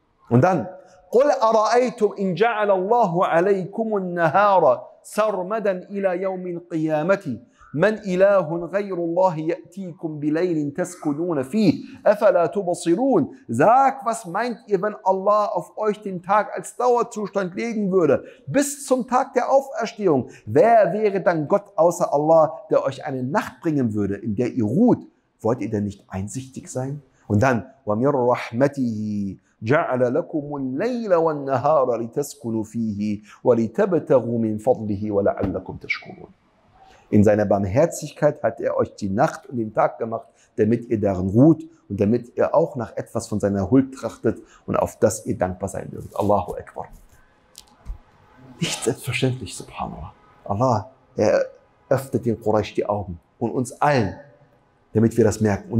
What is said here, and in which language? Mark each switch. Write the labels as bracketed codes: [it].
[de] Und dann, [ar] قُلْ أَرَأَيْتُمْ إِنْ جَعَلَ اللَّهُ عَلَيْكُمُ النَّهَارَ سَرْمَدًا إِلَى يَوْمِ الْقِيَامَةِ مَنْ إِلَهٌ غَيْرُ اللَّهِ يَأْتِيكُمْ بِلَيْلٍ تَسْكُنُونَ فِيهِ أَفَلَا تُبَصِرُونَ. [de] Sagt, was meint ihr, wenn Allah auf euch den Tag als Dauerzustand legen würde, bis zum Tag der Auferstehung? Wer wäre dann Gott außer Allah, der euch eine Nacht bringen würde, in der ihr ruht? Wollt ihr denn nicht einsichtig sein? Und dann, [ar] وَمِنْ رَحْمَتِهِ جَعَلَ لَكُمُ اللَّيْلَ وَالنَّهَارَ لِتَسْكُنُوا فِيهِ وَلِتَبْتَغُوا مِنْ فَضْلِهِ وَلَعَلَّكُمْ تَشْكُرُونَ. [de] In seiner Barmherzigkeit hat er euch die Nacht und den Tag gemacht, damit ihr darin ruht und damit ihr auch nach etwas von seiner Huld trachtet und auf das ihr dankbar sein dürft. Allahu Akbar. Nicht selbstverständlich, subhanallah. Allah, er öffnet den Quraysh die Augen und uns allen, damit wir das merken.